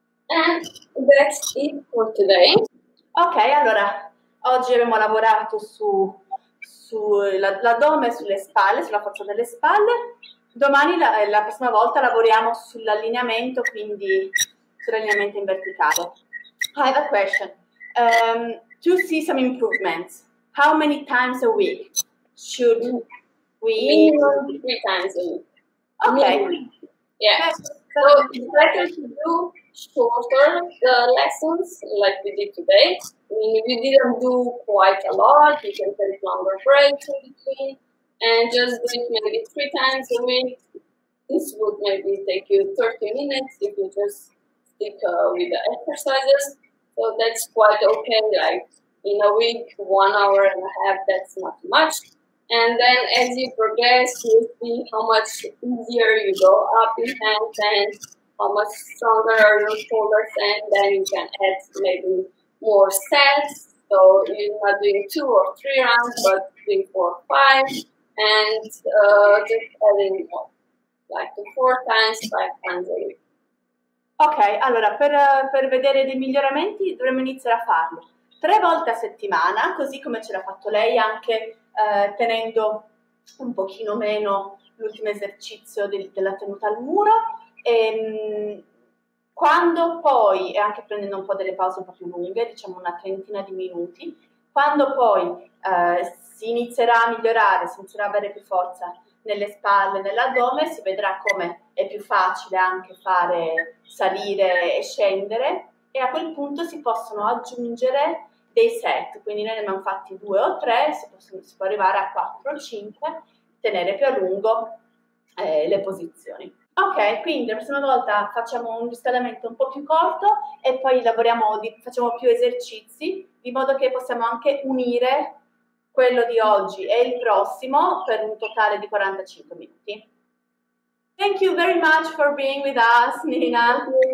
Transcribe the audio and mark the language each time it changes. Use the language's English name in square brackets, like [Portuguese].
[English] And that's it for today. [Italian] Ok, allora, oggi abbiamo lavorato sull'addome, sulle spalle, sulla forza delle spalle. Domani, la prossima volta, lavoriamo sull'allineamento, quindi sull'allineamento in verticale. [English] I have a question. To see some improvements, how many times a week should we... Minimum 3 times a week. Okay. Yeah. So it's better to do shorter the lessons, like we did today. I mean, if you didn't do quite a lot, you can take longer breaks in between. And just do it maybe 3 times a week. This would maybe take you 30 minutes if you just stick with the exercises. So that's quite okay. Like in a week, 1.5 hours, that's not much. And then as you progress, you see how much easier you go up in handstand, how much stronger are your shoulders, and then you can add maybe more sets. So you're not doing 2 or 3 rounds, but 3, 4, 5. And just adding like 4 times, 5 times a week. [Italian] Ok, allora per vedere dei miglioramenti dovremmo iniziare a farlo 3 volte a settimana, così come ce l'ha fatto lei, anche tenendo un pochino meno l'ultimo esercizio della tenuta al muro. E quando poi, e anche prendendo un po' delle pause un po' più lunghe, diciamo una 30 minuti, quando poi si inizierà a migliorare, si inizierà a avere più forza nelle spalle, nell'addome, si vedrà come è più facile anche fare salire e scendere, e a quel punto si possono aggiungere dei set, quindi noi ne abbiamo fatti 2 o 3, si può arrivare a 4 o 5, tenere più a lungo le posizioni. Ok, quindi la prossima volta facciamo un riscaldamento un po' più corto e poi lavoriamo, facciamo più esercizi, di modo che possiamo anche unire quello di oggi e il prossimo per un totale di 45 minuti. [English] Thank you very much for being with us, Nina.